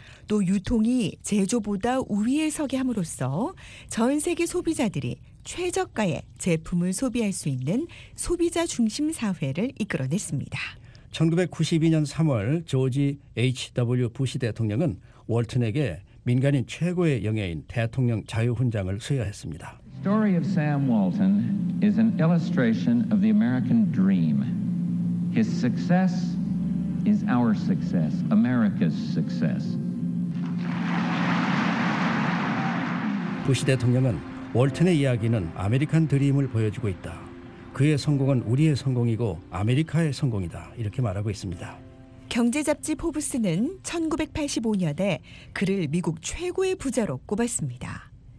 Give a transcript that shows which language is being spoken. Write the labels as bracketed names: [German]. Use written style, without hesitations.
[Korean] 또 유통이 제조보다 우위에 서게 함으로써 전 세계 소비자들이 최저가의 제품을 소비할 수 있는 소비자 중심 사회를 이끌어냈습니다. 1992년 3월 조지 H.W. 부시 대통령은 월튼에게 민간인 최고의 영예인 대통령 자유훈장을 수여했습니다. [English] The story of Sam Walton is an illustration of the American dream. His success is our success, America's success. [Korean] 부시 대통령은 월튼의 이야기는 아메리칸 드림을 보여주고 있다. 그의 성공은 우리의 성공이고 아메리카의 성공이다. 이렇게 말하고 있습니다. 경제잡지 포브스는 1985년에 그를 미국 최고의 부자로 꼽았습니다.